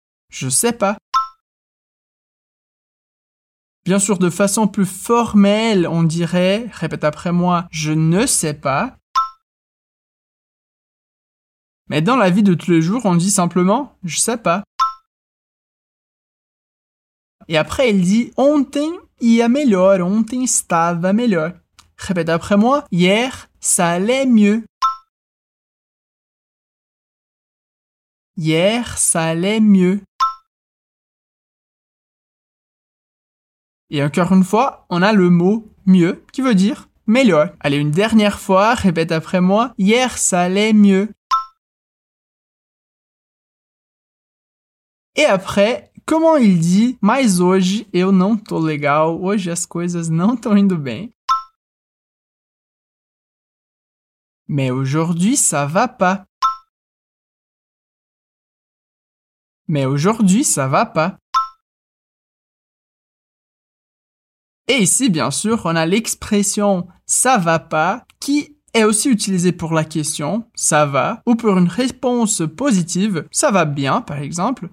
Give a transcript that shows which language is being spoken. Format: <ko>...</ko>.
<fr>Je sais pas. Bien sûr, de façon plus formelle, on dirait, répète après moi, je ne sais pas. Mais dans la vie de tous les jours, on dit simplement, je sais pas. Et après, il dit,</fr> <pt>ontem ia melhor, ontem estava melhor.</pt> <fr>Répète après moi, hier, ça allait mieux. Hier, ça allait mieux. Et encore une fois, on a le mot mieux qui veut dire meilleur. Allez, une dernière fois, répète après moi. Hier, ça allait mieux. Et après, comment il dit mais</fr> <pt>hoje eu não tô legal. Hoje as coisas não tão indo bem.</pt> <fr>Mais aujourd'hui, ça va pas. Mais aujourd'hui, ça va pas. Et ici, bien sûr, on a l'expression « ça va pas » qui est aussi utilisée pour la question « ça va » ou pour une réponse positive « ça va bien » par exemple.</fr>